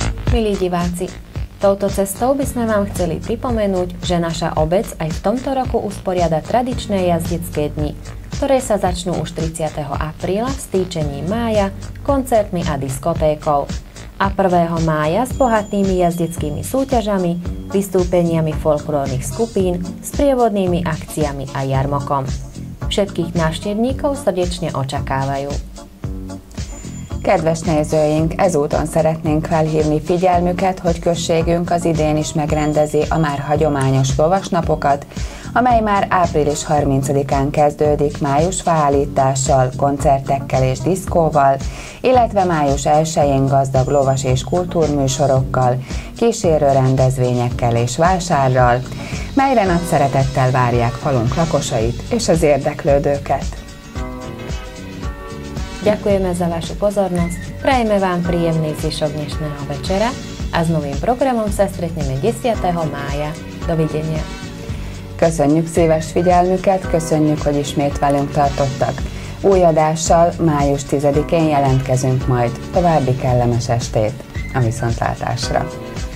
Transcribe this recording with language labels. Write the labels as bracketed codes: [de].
[sk] Milí diváci, touto cestou by sme vám chceli pripomenúť, že naša obec aj v tomto roku usporiada tradičné jazdecké dni, ktoré sa začnú už 30. apríla v stýčení mája, koncertmi a diskotékou. A 1. mája s bohatými jazdeckými súťažami, vystúpeniami folklórnych skupín, sprievodnými akciami a jarmokom. Všetkých návštevníkov srdečne očakávajú. [hu] Kedves nézőink, ezúton szeretnénk felhívni figyelmüket, hogy községünk az idén is megrendezi a már hagyományos lovasnapokat, amely már április 30-án kezdődik május válítással, koncertekkel és diszkóval, illetve május 1-én gazdag lovas és kultúrműsorokkal, kísérő rendezvényekkel és vásárral, melyre nagy szeretettel várják falunk lakosait és az érdeklődőket. [sk] Ďakujeme za vašu pozornosť, prajeme vám príjemný zvyšok dnešného večera a s novým programom sa stretneme 10. mája. Dovidenia. [hu] Köszönjük szíves figyelmüket, köszönjük, hogy ismét velünk tartottak. Új adással május 10-én jelentkezünk majd. További kellemes estét, a viszontlátásra.